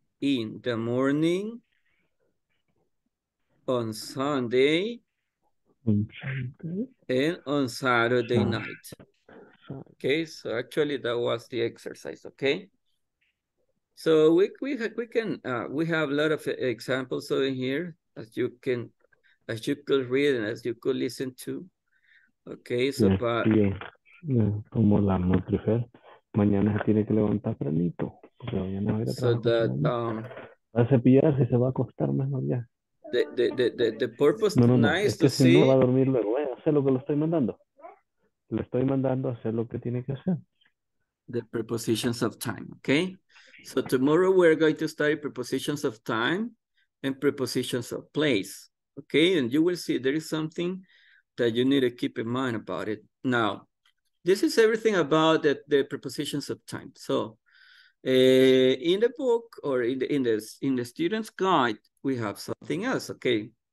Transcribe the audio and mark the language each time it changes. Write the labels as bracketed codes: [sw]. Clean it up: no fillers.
[en] In the morning, on Sunday, and on Saturday night. Okay, so actually that was the exercise, okay? So we have a lot of examples over here as you could read and as you could listen to. Okay, so yes, but yes. [es] Como la mujer, mañana se tiene que levantar tempranito. [en] So that [es] va a cepillarse, se va a acostar mejor ya. [en] The purpose tonight [es] es que si no va a dormir luego, vaya a hacer lo que lo estoy mandando. Le estoy mandando a hacer lo que tiene que hacer. [en] The prepositions of time, okay? So tomorrow we're going to study prepositions of time and prepositions of place. Okay, and you will see there is something that you need to keep in mind about it. Now, this is everything about the prepositions of time. So in the book or in the student's guide, we have something else, okay?